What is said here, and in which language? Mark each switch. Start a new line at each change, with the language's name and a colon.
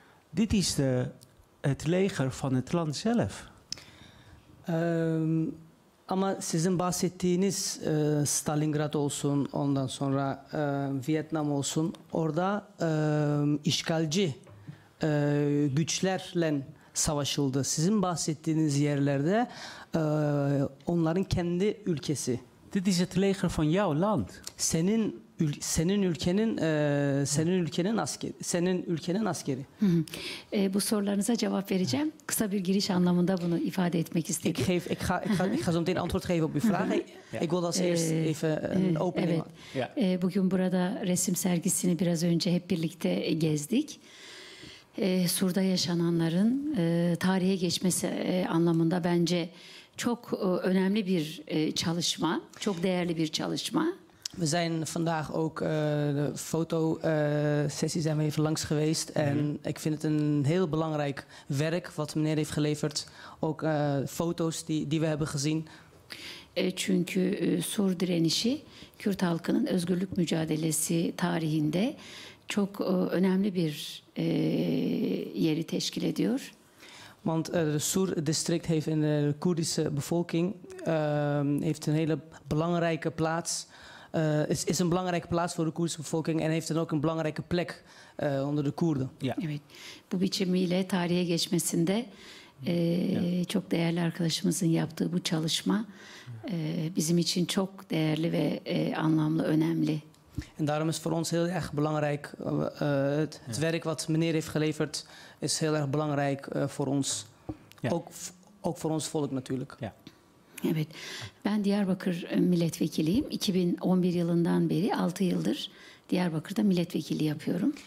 Dutch: Dit is het leger van het land zelf.
Turkish: Ama sizin bahsettiğiniz Stalingrad olsun, ondan sonra Vietnam olsun, orada işgalci güçlerle savaşıldı. Sizin bahsettiğiniz yerlerde onların kendi ülkesi.
Dutch: Dit is het leger van jouw land.
Turkish: Senin ülkenin askeri. Bu sorularınıza cevap vereceğim. Kısa bir giriş anlamında bunu ifade etmek istedim.
Dutch: Ik ga zo meteen antwoord geven op uw vraag. Ik wil als eerst even een opening.
Turkish: Evet. Bugün burada resim sergisini biraz önce hep birlikte gezdik. Sur'da yaşananların tarihe geçmesi anlamında bence çok önemli bir çalışma, çok değerli bir çalışma.
Dutch: We zijn vandaag ook de foto sessie zijn we even langs geweest en ik vind het een heel belangrijk werk wat meneer heeft geleverd, ook foto's die we hebben gezien.
Turkish: Çünkü Sur direnişi Kürt halkının özgürlük mücadelesi tarihinde çok önemli bir yeri teşkil ediyor.
Dutch: Want de Sur district heeft in de Koerdische bevolking heeft een hele belangrijke plaats. Is een belangrijke plaats voor de Koerdische bevolking en heeft dan ook een belangrijke plek onder de Koerden. Ja.
Turkish: Evet. Bu biçimiyle tarihe geçmesinde çok değerli arkadaşımızın yaptığı bu çalışma bizim için çok değerli ve anlamlı, önemli.
Dutch: En daarom is voor ons heel erg belangrijk het werk wat meneer heeft geleverd is heel erg belangrijk voor ons. Ja. Ook voor ons volk natuurlijk. Ja.
Turkish: Evet. Ben Diyarbakır milletvekiliyim. 2011 yılından beri 6 yıldır Diyarbakır'da milletvekili yapıyorum.